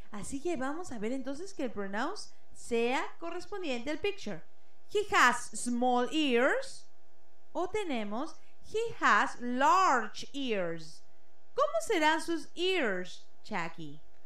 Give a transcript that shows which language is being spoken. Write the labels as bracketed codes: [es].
[es] Así que vamos a ver entonces que el pronoun sea correspondiente al picture. [en] He has small ears. [es] O tenemos [en] he has large ears. [es] ¿Cómo serán sus ears, Chucky?